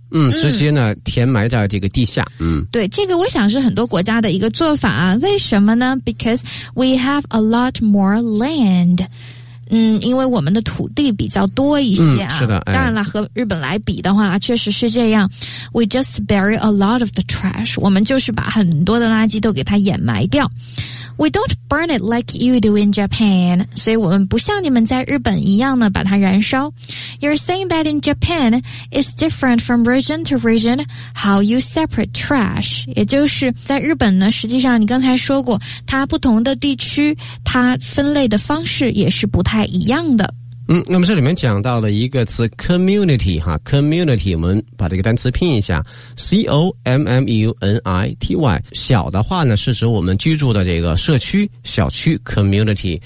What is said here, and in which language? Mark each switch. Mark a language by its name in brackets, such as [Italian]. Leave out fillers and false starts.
[Chinese] 嗯，直接呢填埋在这个地下。嗯，对，这个我想是很多国家的一个做法啊。为什么呢？ [English] Because we have a lot more land. [Chinese] 嗯，因为我们的土地比较多一些啊。嗯，是的。哎，当然了，和日本来比的话确实是这样。 [English] We just bury a lot of the trash. [Chinese] 我们就是把很多的垃圾都给它掩埋掉。 [English] We don't burn it like you do in Japan. [Chinese] 所以我们不像你们在日本一样呢把它燃烧。 [English] You're saying that in Japan, it's different from region to region how you separate trash. [Chinese] 也就是在日本呢，实际上你刚才说过，它不同的地区，它分类的方式也是不太一样的。嗯，那么这里面讲到的一个词 community 哈 ，community 我们把这个单词拼一下 ，c o m m u n i t y， 小的话呢是指我们居住的这个社区小区 community，